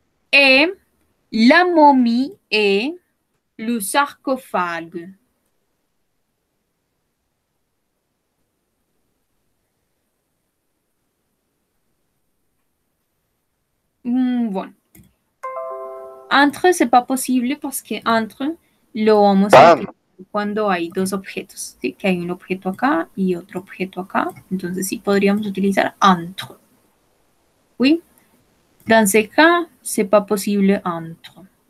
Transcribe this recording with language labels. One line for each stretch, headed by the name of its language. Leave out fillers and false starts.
French: Et la momie et le sarcophage. Bon. Entre, c'est pas possible parce que entre,
Spanish: lo vamos a... Cuando hay dos objetos, ¿sí? Que hay un objeto acá y otro objeto acá, entonces sí podríamos utilizar entre.
French: ¿Oui? Dans ce cas, c'est pas possible entre.